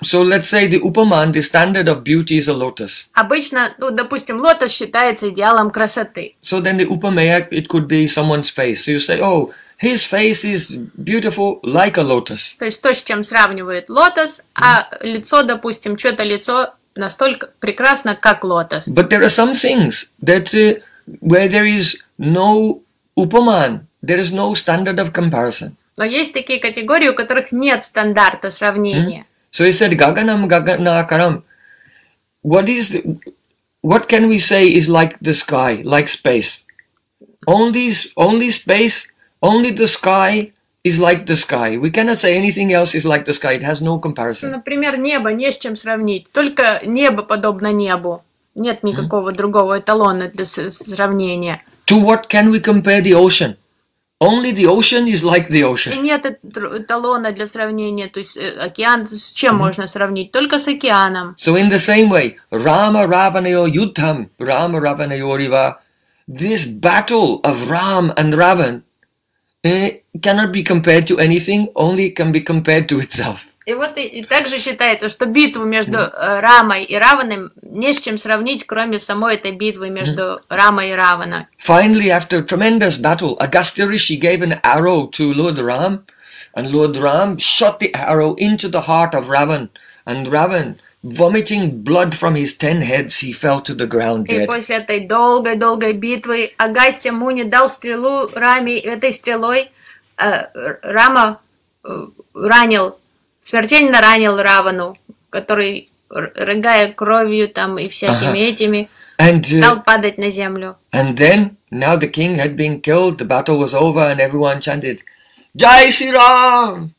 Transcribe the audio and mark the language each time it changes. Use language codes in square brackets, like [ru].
[en] So let's say the upaman, the standard of beauty is a lotus. [ru] Обычно, ну, допустим, лотос считается идеалом красоты. [en] So then the upameya, it could be someone's face. So you say, oh, his face is beautiful like a lotus. [ru] То есть то, с чем сравнивает лотос, а лицо, допустим, чьё-то лицо настолько прекрасно, как лотос. [en] But there are some things that where there is no upaman, there is no standard of comparison. [ru] Но есть такие категории, у которых нет стандарта сравнения. [en] So he said, [sa] Gaganam Gaganakaram. [en] What can we say is like the sky, like space? Only space. Only the sky is like the sky. We cannot say anything else is like the sky. It has no comparison. [ru] Например, небо не с чем сравнить. Только небо подобно небу. Нет никакого другого эталона для сравнения. [en] To what can we compare the ocean? Only the ocean is like the ocean. [ru] И нет эталона для сравнения. То есть океан с чем можно сравнить? Только с океаном. [en] So in the same way, [sa] Rama Ravanayo Yudham, Rama Ravanayo Riva, [en] this battle of Ram and Ravan, it cannot be compared to anything, only it can be compared to itself. [ru] И вот и также считается, что битву между Рамой и Раваном не с чем сравнить, кроме самой этой битвы между Рамой и Раваном. [en] Finally, after a tremendous battle, Agastya Rishi gave an arrow to Lord Ram, and Lord Ram shot the arrow into the heart of Ravan, and Ravan Vomiting blood from his 10 heads, he fell to the ground dead. [ru] И после этой долгой-долгой битвы Агастья Муни дал стрелу Раме, и этой стрелой Рама ранил, смертельно ранил Равану, который, рыгая кровью там и всякими этими, стал падать на землю. [en] And then, now the king had been killed, the battle was over, and everyone chanted, Jai Shri Ram!